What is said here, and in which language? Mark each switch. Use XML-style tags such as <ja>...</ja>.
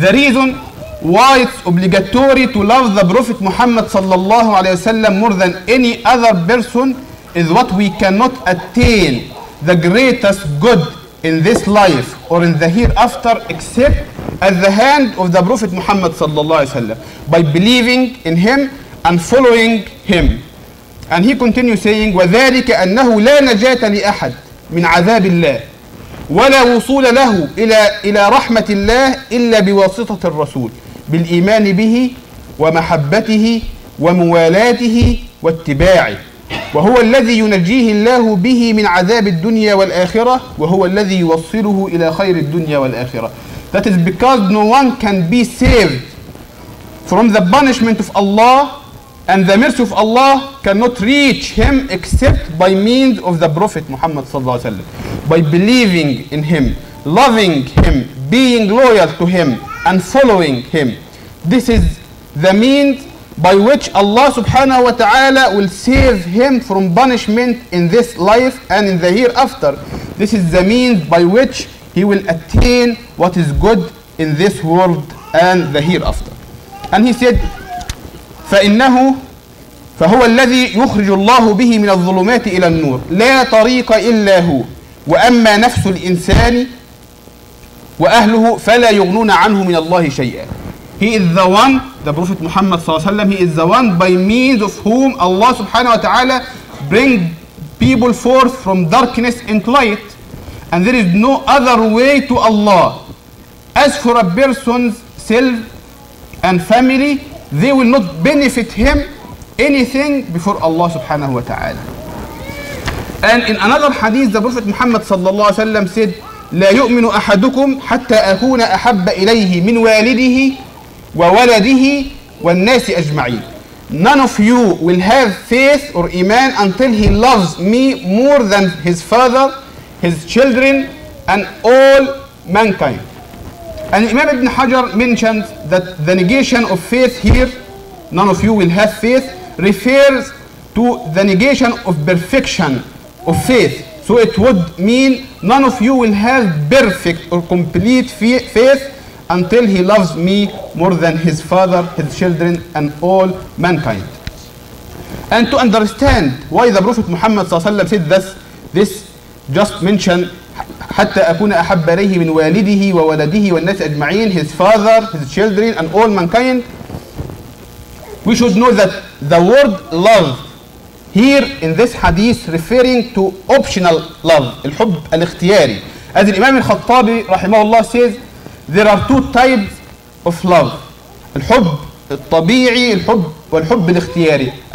<en>The reason why it's obligatory to love the Prophet Muhammad صلى الله عليه وسلم more than any other person is what we cannot attain the greatest good in this life or in the hereafter except at the hand of the Prophet Muhammad صلى الله عليه وسلم by believing in him and following him. And he continues saying,</en> <ar>وذلك أنه لا نجاة لأحد من عذاب الله ولا وصول له إلى رحمة الله إلا بواسطة الرسول بالإيمان به ومحبته وموالاته واتباعه وهو الذي ينجيه الله به من عذاب الدنيا والآخرة وهو الذي يوصله إلى خير الدنيا والآخرة.</ar> <en>That is because no one can be saved from the punishment of Allah and the mercy of Allah cannot reach him except by means of the Prophet Muhammad sallallahu alaihi wasallam. By believing in him, loving him, being loyal to him, and following him. This is the means by which Allah subhanahu wa ta'ala will save him from punishment in this life and in the hereafter. This is the means by which he will attain what is good in this world and the hereafter. And he said,</en> <ar>فإنه فهو الذي يخرج الله به من الظلمات إلى النور لا طريق إلا هو وأما نفس الإنسان وأهله فلا يغنون عنه من الله شيئا.</ar> <en>He is the one, the Prophet Muhammad صلى الله عليه وسلم, he is the one by means of whom Allah subhanahu wa ta'ala bring people forth from darkness into light. And there is no other way to Allah. As for a person's self and family, they will not benefit him anything before Allah subhanahu wa ta'ala. And in another hadith, the Prophet Muhammad sallallahu alayhi wa sallam said,</en> <ar>لا يؤمن أحدكم حتى أكون أحب إليه من والده وولده والناس أجمعين.</ar> <en>None of you will have faith or iman until he loves me more than his father, his children, and all mankind. And Imam Ibn Hajar mentions that the negation of faith here, none of you will have faith, refers to the negation of perfection of faith. So it would mean none of you will have perfect or complete faith until he loves me more than his father, his children, and all mankind. And to understand why the Prophet Muhammad sallallahu alaihi wasallam said this, just mention</en> <ar>حتى أكون أحب إليه من والده وولده والناس أجمعين,</ar> <en>his father, his children, and all mankind. We should know that the word love here in this hadith referring to optional love,</en> <ar>الحب الاختياري.</ar> <en>As the Imam al-Khattabi رحمه الله says, there are two types of love.</en> <ar>الحب الطبيعي, الحب والحب الاختياري.</ar>